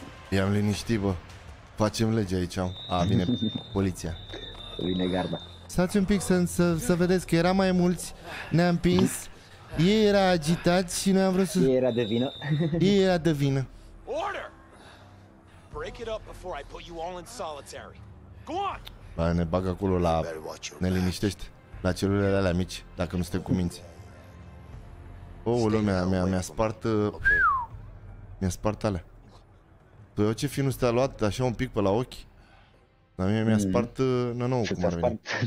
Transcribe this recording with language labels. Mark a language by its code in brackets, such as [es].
[ro] I-am liniștit, bă. Facem lege aici. A, vine poliția. Vine garda. Stați un pic să vedeți că era mai mulți. Ne-am pins. Ei era agitat și noi am vrut să... Ei era de vină. Ei era de vină. [en] Order! Break it up before I put you all in solitary. Go on! [ro] Ba, ne bagă acolo la... Ne liniștește. La celulele alea mici, dacă nu suntem cu minți. O, lumea mea, mi-a spart... Mi-a spart alea. Păi, ce finu te-a luat așa un pic pe la ochi. Dar mie mi-a spart... Nu, nu, cum ar veni.